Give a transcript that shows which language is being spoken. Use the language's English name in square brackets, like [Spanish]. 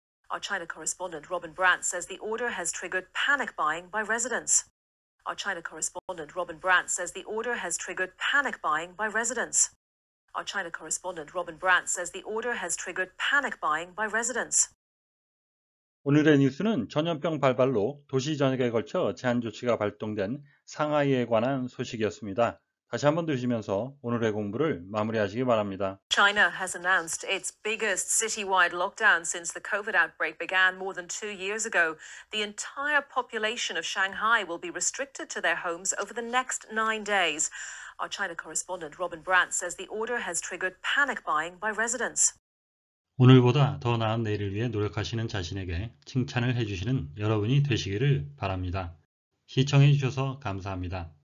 [English] Our China correspondent Robin Brandt says the order has triggered panic buying by residents. Our China correspondent Robin Brandt says the order has triggered panic buying by residents. Our China correspondent Robin Brandt says the order has triggered panic buying by residents. [Korean] 오늘의 뉴스는 전염병 발발로 도시 전역에 걸쳐 제한 조치가 발동된 상하이에 관한 소식이었습니다. 다시 한번 들으시면서 오늘의 공부를 마무리하시기 바랍니다. [English] China has announced its biggest citywide lockdown since the COVID outbreak began more than 2 years ago. The entire population of Shanghai will be restricted to their homes over the next 9 days. Our China correspondent Robin Brandt says the order has triggered panic buying by residents. [Korean] 오늘보다 더 나은 내일을 위해 노력하시는 자신에게 칭찬을 해주시는 여러분이 되시기를 바랍니다. 시청해주셔서 감사합니다.